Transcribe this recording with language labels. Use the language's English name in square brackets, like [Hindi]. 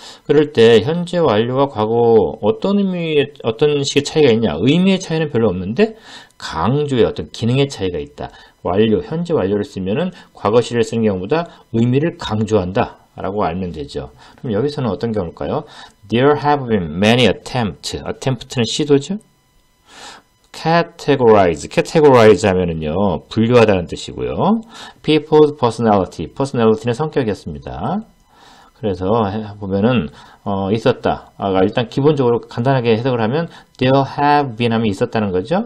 [Korean] 그럴 때 현재 완료와 과거 어떤 식의 차이가 있냐? 의미의 차이는 별로 없는데 강조의 어떤 기능의 차이가 있다. 완료, 현재 완료를 쓰면은 과거 시제를 쓰는 경우보다 의미를 강조한다. 라고 알면 되죠. 그럼 여기서는 어떤 경우일까요? [English] There have been many attempts. [Korean] Attempt는 시도죠? Categorize 하면은요, 분류하다는 뜻이고요. [English] People's personality. [Korean] Personality는 성격이었습니다. 그래서 보면은, 있었다. 일단 기본적으로 간단하게 해석을 하면, [English] There have been [Korean] 하면 있었다는 거죠.